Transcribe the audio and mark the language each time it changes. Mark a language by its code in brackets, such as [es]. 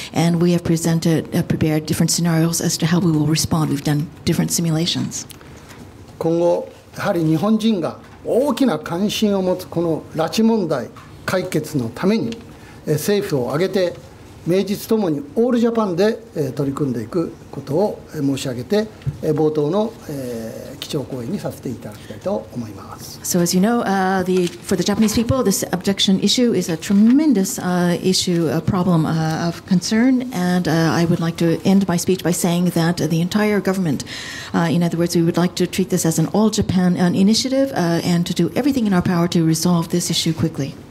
[en] And we have prepared different scenarios as to how we will respond. We've done different simulations. [ja] 今後、やはり日本人が大きな関心を持つこの拉致問題解決のために政府を挙げて名実ともにオールジャパンで取り組んでいくことを申し上げて冒頭の基調講演にさせていただきたいと思います。 [en] So as you know, for the Japanese people, this abduction issue is a tremendous issue, a problem of concern, and I would like to end my speech by saying that the entire government, in other words, we would like to treat this as an all Japan initiative and to do everything in our power to resolve this issue quickly.